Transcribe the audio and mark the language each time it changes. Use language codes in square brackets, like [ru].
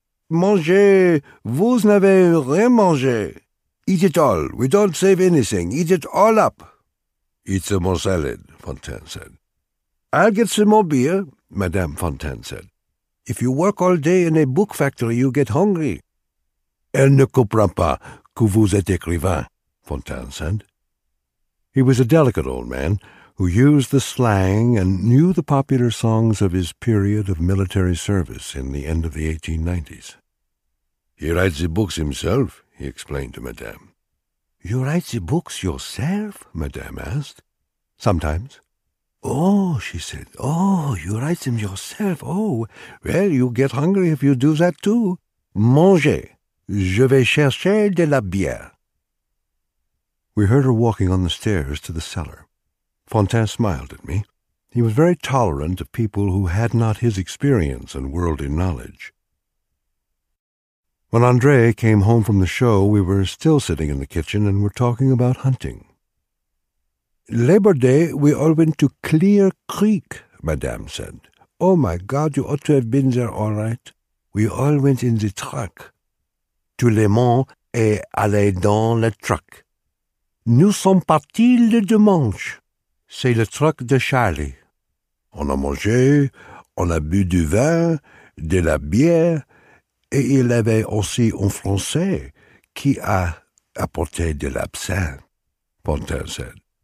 [fr] "Mangez, vous n'avez rien mangé." [en] "Eat it all. We don't save anything. Eat it all up." "Eat some more salad," Fontaine said. "I'll get some more beer," Madame Fontaine said. "If you work all day in a book factory, you get hungry." [fr] "Elle ne comprend pas que vous êtes écrivain," Fontaine [en] said. He was a delicate old man who used the slang and knew the popular songs of his period of military service in the end of the 1890s. "He writes the books himself," he explained to Madame. "You write the books yourself?" Madame asked. "Sometimes." "Oh," she said, "oh, you write them yourself. Oh, well, you get hungry if you do that too. [fr] Mangez. Je vais chercher de la bière." [en] We heard her walking on the stairs to the cellar. Fontaine smiled at me. He was very tolerant of people who had not his experience and worldly knowledge. When André came home from the show, we were still sitting in the kitchen and were talking about hunting. "Labor Day, we all went to Clear Creek," Madame said. "Oh, my God, you ought to have been there, all right. We all went in the truck. [fr] Tout le monde est allé dans le truck. Nous sommes partis le dimanche. C'est le truck de Charlie. On a mangé, on a bu du vin, de la bière, et il y avait aussi un Français qui a apporté de l'absinthe," Pontin [en] said.